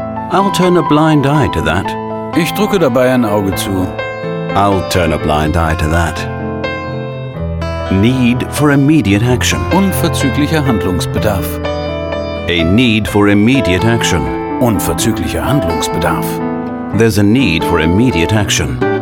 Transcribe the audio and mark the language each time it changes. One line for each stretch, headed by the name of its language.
English: I'll turn a blind eye to that.
German: Ich drücke dabei ein Auge zu.
English: I'll turn a blind eye to that. Need for immediate action.
German: Unverzüglicher Handlungsbedarf.
English: A need for immediate action.
German: Unverzüglicher Handlungsbedarf.
English: There's a need for immediate action.